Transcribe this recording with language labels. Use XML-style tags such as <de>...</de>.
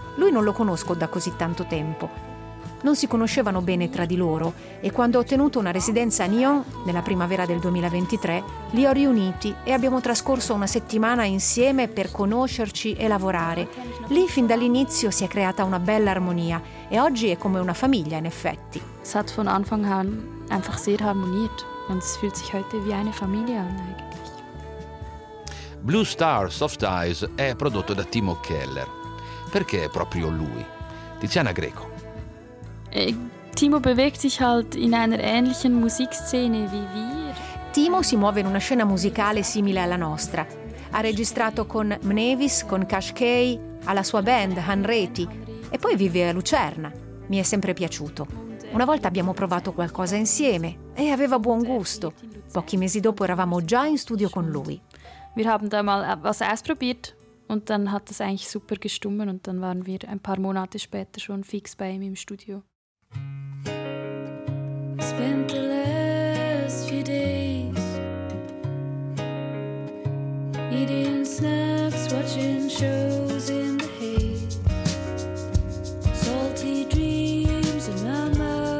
<it>Lui non lo conosco da così tanto tempo. Non si conoscevano bene tra di loro e quando ho ottenuto una residenza a Nyon, nella primavera del 2023, li ho riuniti e abbiamo trascorso una settimana insieme per conoscerci e lavorare. Lì fin dall'inizio si è creata una bella armonia e oggi è come una famiglia in effetti.</it> <de>Es hat von Anfang an einfach sehr harmoniert und es fühlt sich heute wie eine Familie an.</de> <it>Blue Star Soft Eyes è prodotto da Timo Keller. Perché è proprio lui? Tiziana Greco.</it> <de>Timo bewegt sich halt in einer ähnlichen Musikszene wie wir.</de> <it>Timo si muove in una scena musicale simile alla nostra. Ha registrato con Mnevis, con Cash Kay, alla sua band Hanreti e poi vive a Lucerna. Mi è sempre piaciuto. Una volta abbiamo provato qualcosa insieme e aveva buon gusto. Pochi mesi dopo eravamo già in studio con lui.</it> <de>Wir haben da mal was ausprobiert und dann hat das eigentlich super gestummen und dann waren wir ein paar Monate später schon fix bei ihm im Studio.</de> <en>Spent the last few days eating snacks, watching shows in the haze, salty dreams in my mouth.</en>